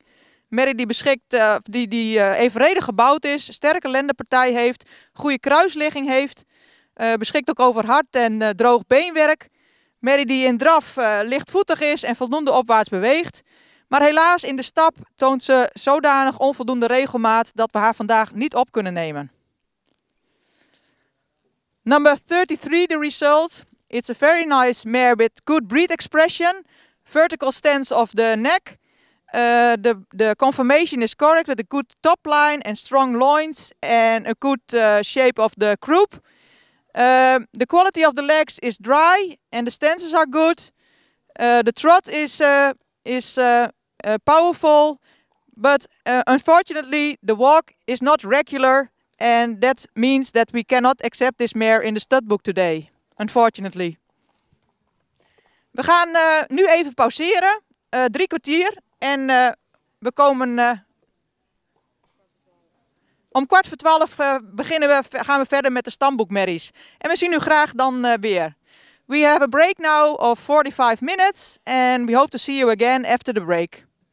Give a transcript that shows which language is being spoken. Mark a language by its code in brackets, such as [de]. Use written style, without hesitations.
[nl] Een merrie die beschikt, die evenredig gebouwd is, sterke lendenpartij heeft, goede kruisligging heeft. Beschikt ook over hard en droog beenwerk. Mary die in draf lichtvoetig is en voldoende opwaarts beweegt. Maar helaas in de stap toont ze zodanig onvoldoende regelmaat dat we haar vandaag niet op kunnen nemen. [en] Number 33, the result. It's a very nice mare with good breed expression. Vertical stance of the neck. The conformation is correct with a good top line and strong loins. And a good shape of the croup. The quality of the legs is dry and the stances are good. The trot is powerful. But unfortunately, the walk is not regular. And that means that we cannot accept this mare in the stud book today. Unfortunately. [nl] We gaan nu even pauzeren. 3 kwartier. En we komen... Om 11:45 beginnen we, gaan we verder met de stamboekmerries. En we zien u graag dan weer. [en] We have a break now of 45 minutes. And we hope to see you again after the break.